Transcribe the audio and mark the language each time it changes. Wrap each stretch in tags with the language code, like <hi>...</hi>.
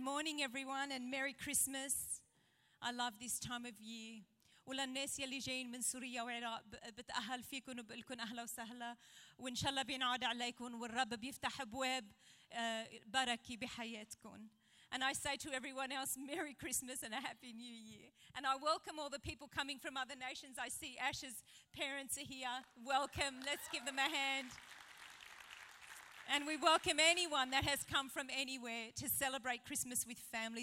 <en>morning, everyone, and Merry Christmas. I love this time of year.</en> <ar>ولا الناس يلي جايين من سوريا والعراق بتأهل فيكم وبقولكم أهلا وسهلا وإن شاء الله بينعاد عليكم والرب بيفتح أبواب بركة بحياتكم.</ar> <en>And I say to everyone else, Merry Christmas and a Happy New Year. And I welcome all the people coming from other nations. I see Ash's parents are here. Welcome. Let's give them a hand. And we welcome anyone that has come from anywhere to celebrate Christmas with family.</en>